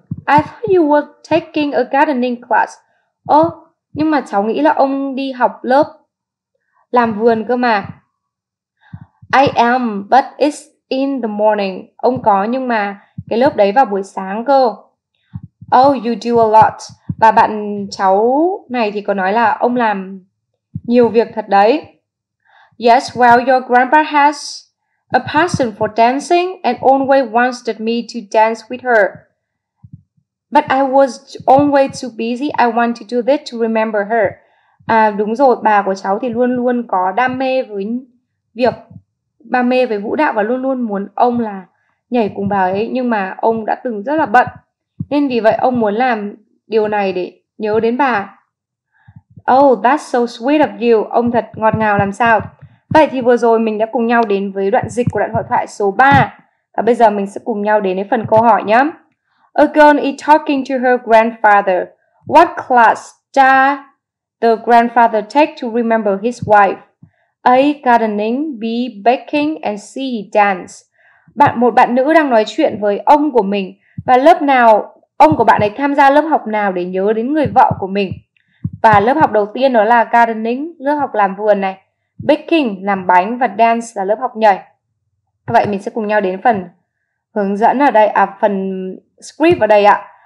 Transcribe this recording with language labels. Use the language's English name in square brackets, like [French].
[English] I thought you were taking a gardening class. [Vietnamese] Nhưng mà cháu nghĩ là ông đi học lớp làm vườn cơ mà. [English] I am, but it's in the morning. [Vietnamese] Ông có nhưng mà cái lớp đấy vào buổi sáng cơ. [English] Oh, you do a lot. [Vietnamese] Và bạn cháu này thì có nói là ông làm nhiều việc thật đấy. [English] Yes, well, your grandpa has a passion for dancing and always wanted me to dance with her. But I was always too busy. I want to do this to remember her. [Vietnamese] À, đúng rồi, bà của cháu thì luôn luôn có đam mê với việc, đam mê với vũ đạo và luôn luôn muốn ông là nhảy cùng bà ấy. Nhưng mà ông đã từng rất là bận. Nên vì vậy ông muốn làm điều này để nhớ đến bà. [English] Oh, that's so sweet of you. [Vietnamese] Ông thật ngọt ngào làm sao. Vậy thì vừa rồi mình đã cùng nhau đến với đoạn dịch của đoạn hội thoại số 3. Và bây giờ mình sẽ cùng nhau đến với phần câu hỏi nhé. [English] A girl is talking to her grandfather. What class does the grandfather take to remember his wife? A. Gardening. B. Baking. And C. Dance. [Vietnamese] Một bạn nữ đang nói chuyện với ông của mình. Và lớp nào, ông của bạn ấy tham gia lớp học nào để nhớ đến người vợ của mình? Và lớp học đầu tiên đó là gardening, lớp học làm vườn này. Baking, làm bánh. Và dance là lớp học nhảy. Vậy mình sẽ cùng nhau đến phần hướng dẫn ở đây, à phần script ở đây ạ.